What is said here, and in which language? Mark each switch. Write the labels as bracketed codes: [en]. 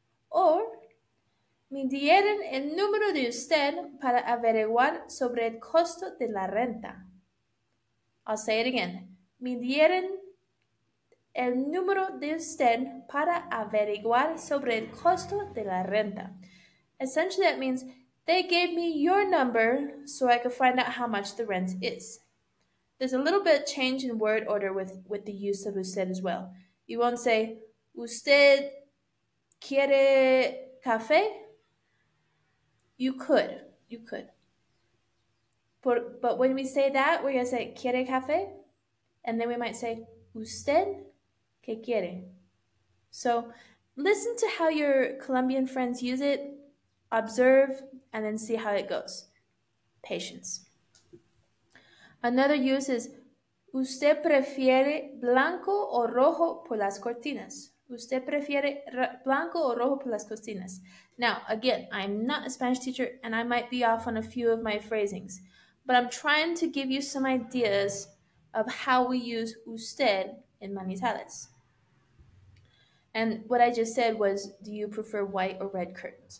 [es] Or, me dieron el número de usted para averiguar sobre el costo de la renta. [en] I'll say it again. [es] Me dieron el número de usted para averiguar sobre el costo de la renta. [en] Essentially, that means they gave me your number so I could find out how much the rent is. There's a little bit of change in word order with the use of usted as well. You won't say, [es] usted quiere café? [en] You could. But when we say that, we're going to say, [es] ¿quiere café? [en] And then we might say, [es] ¿usted qué quiere? [en] So listen to how your Colombian friends use it, observe, and then see how it goes. Patience. Another use is, [es] ¿usted prefiere blanco o rojo por las cortinas? ¿Usted prefiere blanco o rojo por las cortinas? [en] Now, again, I'm not a Spanish teacher, and I might be off on a few of my phrasings. But I'm trying to give you some ideas of how we use usted in Manizales. And what I just said was, do you prefer white or red curtains?